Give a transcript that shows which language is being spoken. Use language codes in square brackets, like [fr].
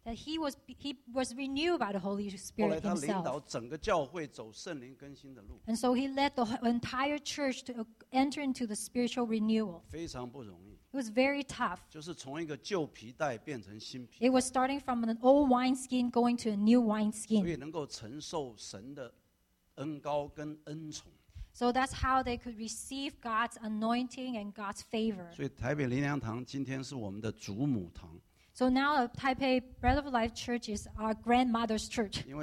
[en] That he was renewed by the Holy Spirit himself. [zh] 后来他领导整个教会走圣灵更新的路。 [en] And so he led the entire church to enter into the spiritual renewal. [zh] 非常不容易。 [en] It was very tough. [zh] 就是从一个旧皮带变成新皮。 [en] It was starting from an old wineskin going to a new wineskin. [zh] 所以能够承受神的恩膏跟恩宠。 [en] So that's how they could receive God's anointing and God's favor. So now Taipei Bread of Life Church is our grandmother's church.